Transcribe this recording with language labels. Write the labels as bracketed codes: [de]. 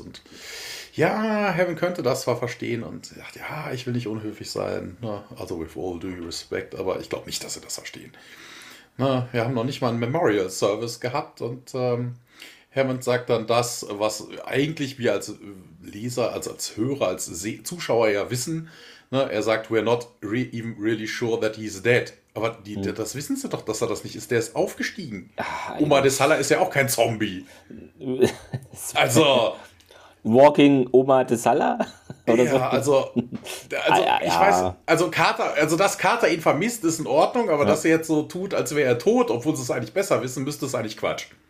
[de] Und ja, Hammond könnte das zwar verstehen und sagt, ja, ich will nicht unhöflich sein, ne? Also [en] with all due respect, [de] aber ich glaube nicht, dass sie das verstehen. Na, wir haben noch nicht mal einen Memorial Service gehabt, und Hammond sagt dann das, was eigentlich wir als Leser, als Hörer, als Se Zuschauer ja wissen. Na, er sagt, [en] we're not re even really sure that he's dead. [de] Aber das wissen sie doch, dass er das nicht ist. Der ist aufgestiegen. Omar Desala ist ja auch kein Zombie. Also. Walking Oma de Sala oder so. Ja, also ich weiß. Ja. Also Carter, also dass Carter ihn vermisst, ist in Ordnung, aber dass er jetzt so tut, als wäre er tot, obwohl sie es eigentlich besser wissen, müsste, ist eigentlich Quatsch.